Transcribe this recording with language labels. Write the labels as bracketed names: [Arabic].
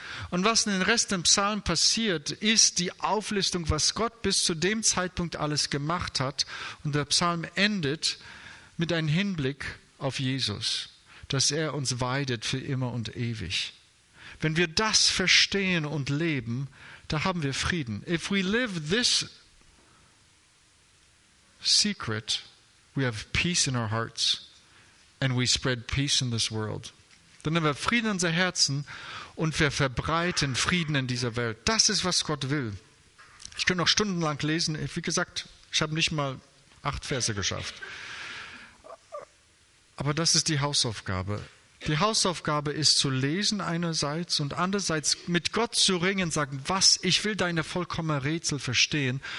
[German] Und was in den restlichen Psalmen passiert, ist die Auflistung, was Gott bis zu dem Zeitpunkt alles gemacht hat. Und der Psalm endet mit einem Hinblick auf Jesus, dass er uns weidet für immer und ewig. Wenn wir das verstehen und leben, da haben wir Frieden. [English] If we live this secret, we have peace in our hearts and we spread peace in this world. [German] Dann haben wir Frieden in unser Herzen und wir verbreiten Frieden in dieser Welt. Das ist, was Gott will. Ich könnte noch stundenlang lesen. Wie gesagt, ich habe nicht mal 8 Verse geschafft. Aber das ist die Hausaufgabe. Die Hausaufgabe ist zu lesen einerseits und andererseits mit Gott zu ringen, sagen, was, ich will deine vollkommene Rätsel verstehen.